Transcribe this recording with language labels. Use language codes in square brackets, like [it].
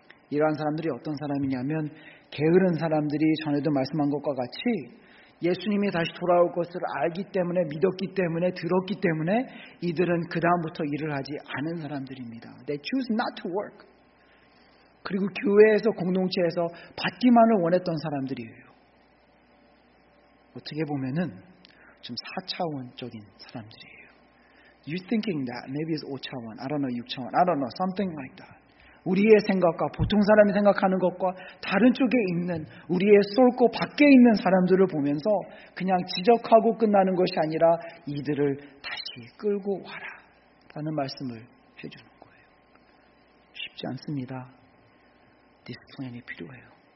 [ko] 이러한 사람들이 어떤 사람이냐면 게으른 사람들이 전에도 말씀한 것과 같이 예수님이 다시 돌아올 것을 알기 때문에 믿었기 때문에 들었기 때문에 이들은 그 다음부터 일을 하지 않은 사람들입니다. [en] They choose not to work. [ko] 그리고 교회에서 공동체에서 받기만을 원했던 사람들이에요. 어떻게 보면은 좀 4차원적인 사람들이에요. [en] You thinking that maybe it's 5차원, I don't know, 6차원, I don't know, something like that. [ko] 우리의 생각과 보통 사람이 생각하는 것과 다른 쪽에 있는 우리의 솔코 밖에 있는 사람들을 보면서 그냥 지적하고 끝나는 것이 아니라 이들을 다시 끌고 와라 라는 말씀을 해주는 거예요. 쉽지 않습니다. Discipline이 필요해요.